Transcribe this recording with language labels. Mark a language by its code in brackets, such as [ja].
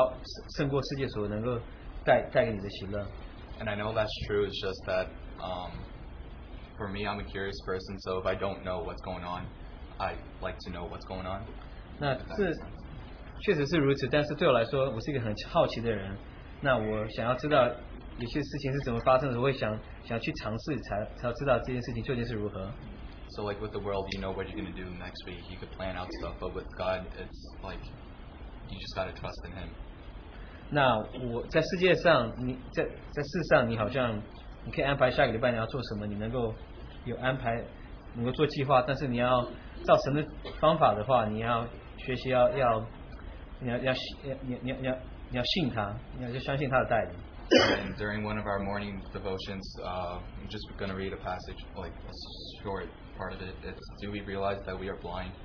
[zh] 那我就跟一些弟兄姐妹有些的交谈，他们就说，好像追求主的话，会带你更多的喜乐，是超胜过世界所能够带给你的喜乐。 [en] And I know that's true. It's just that for me, I'm a curious person, so if I don't know what's going on, I like to know what's going on. [zh] 那确实是如此，但是对我来说，我是一个很好奇的人。那我想要知道。有些事情是怎么发生的，我会想去尝试才知道这件事情究竟是如何。 [en] So like with the world, you know what you're going to do next week. You could plan out stuff, but with God, it's like you just got to trust in Him. [zh] 那我在世界上，你在世上，你好像你可以安排下个礼拜你要做什么，你能够有安排，能够做计划。但是你要照神的方法的话，你要学习要信他，你要相信他的带领。 [en] And during one of our morning devotions, I'm just going to read a passage, like a short part of it. It's, do we realize that we are blind?